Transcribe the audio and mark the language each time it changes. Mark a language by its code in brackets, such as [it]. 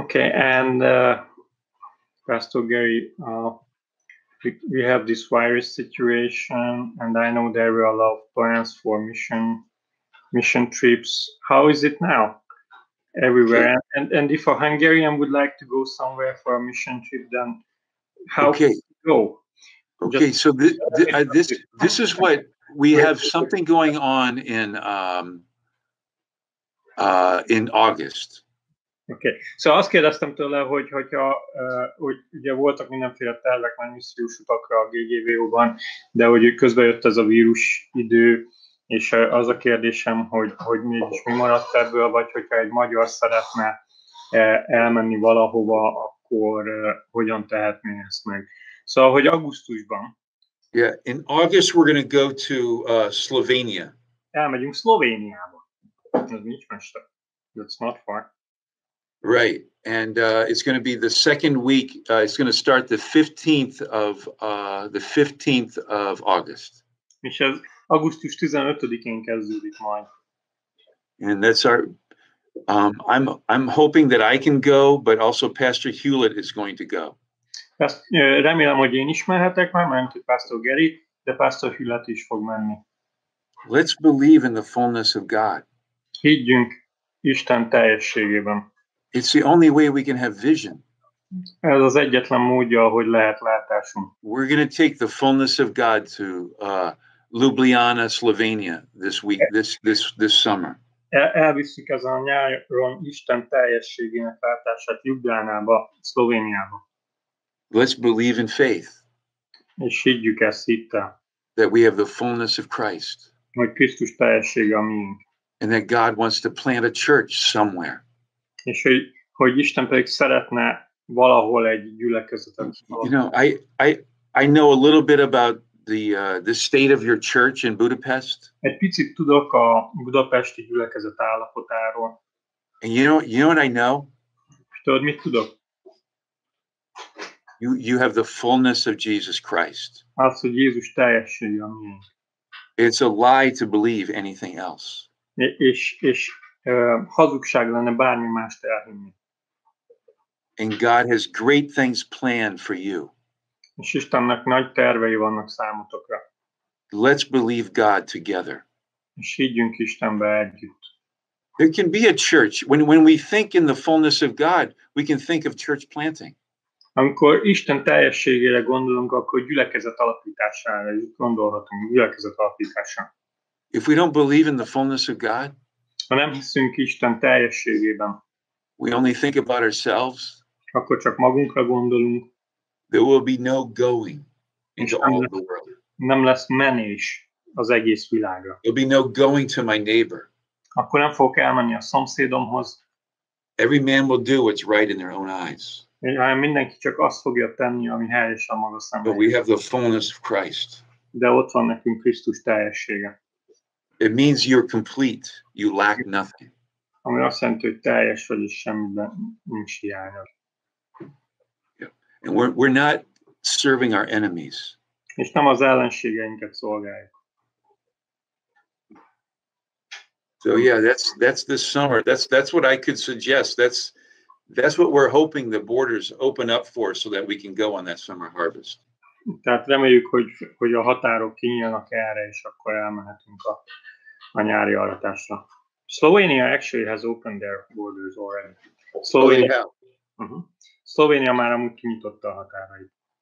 [en] Okay, and Pastor Gary, we have this virus situation, and I know there were a lot of plans for mission trips. How is it now? Everywhere. Okay. And if a Hungarian would like to go somewhere for a mission trip, then how can you go? Okay, just, so this is what we have something going on in August. [hu] Okay, so azt kérdeztem tőle, hogy ugye voltak mindenféle tervek, mert missziós utakra a GGVO-ban, de hogy közben jött ez a vírus idő, és az a kérdésem, hogy mégis mi maradt ebből, vagy hogyha egy magyar szeretne elmenni valahova, akkor hogyan tehetné ezt meg. Szóval, hogy augusztusban. [en] Yeah, in August we're going to go to Slovenia. [hu] Elmegyünk Szlovéniába. Ez nincs messze. [en] That's not far. Right, and it's going to be the second week, it's going to start the 15th of August. [hu] És ez augusztus 15-én kezdődik majd. [en] And that's our, I'm hoping that I can go, but also Pastor Hewlett is going to go. [hu] Remélem, hogy én is mehetek már, mert Pastor Gary, de Pastor Hewlett is fog menni. [en] Let's believe in the fullness of God. [hu] Higgyünk Isten teljességében. [en] It's the only way we can have vision. [hu] Ez az egyetlen módja, hogy lehet látásunk. [en] We're going to take the fullness of God to Ljubljana, Slovenia this week, this summer. [hu] Elviszik ez a nyáron Isten teljességének látását Ljubljánába, Szlovéniába. [en] Let's believe in faith. [hu] És higgyük ezt hittel. [en] That we have the fullness of Christ. [hu] Hogy Krisztus teljessége a miénk. [en] And that God wants to plant a church somewhere. [hu] És hogy Isten pedig szeretne valahol egy gyülekezetet. [en] You know, I know a little bit about the state of your church in Budapest. [hu] Egy picit tudok a budapesti gyülekezet állapotáról. [en] And you know what I know? [hu] Tudod, mit tudok? [en] You have the fullness of Jesus Christ. [hu] Azt, hogy Jézus teljessége a miénk. [en] It's a lie to believe anything else. [hu] És hazugság lenne bármi mást elhinni. [en] And God has great things planned for you. [hu] És Istennek nagy tervei vannak számotokra. [en] Let's believe God together. [hu] És higgyünk Istenbe együtt. [en] There can be a church. When we think in the fullness of God, we can think of church planting. [hu] Amikor Isten teljességére gondolunk, akkor gyülekezet alapítására gondolhatunk, gyülekezet alapítására. [en] If we don't believe in the fullness of God, [hu] ha nem hiszünk Isten teljességében, [en] we only think about ourselves, [hu] akkor csak magunkra gondolunk. [en] There will be no going into all the world. [hu] Nem lesz menés az egész világra. [en] There'll be no going to my neighbor. [hu] Akkor nem fogok elmenni a szomszédomhoz. [en] Every man will do what's right in their own eyes. [hu] Hanem mindenki csak azt fogja tenni, ami helyes a maga szemében. [en] But we have the fullness of Christ. [hu] De ott van nekünk Krisztus teljessége. [en] It means you're complete. You lack nothing. [hu] Ami azt jelenti, hogy teljes vagy, és semmiben nincs hiányod. [en] And we're not serving our enemies. [hu] És nem az ellenségeinket szolgáljuk. [en] So yeah, that's this summer. That's what I could suggest. That's what we're hoping the borders open up for, so that we can go on that summer harvest. [hu] Tehát reméljük, hogy a határok kinyílnak erre, és akkor elmehetünk a nyári aratásra. [en] Slovenia actually has opened their borders already. Slovenia. Oh, yeah. Uh-huh. [hu] Szlovénia már amúgy kinyitotta a határait.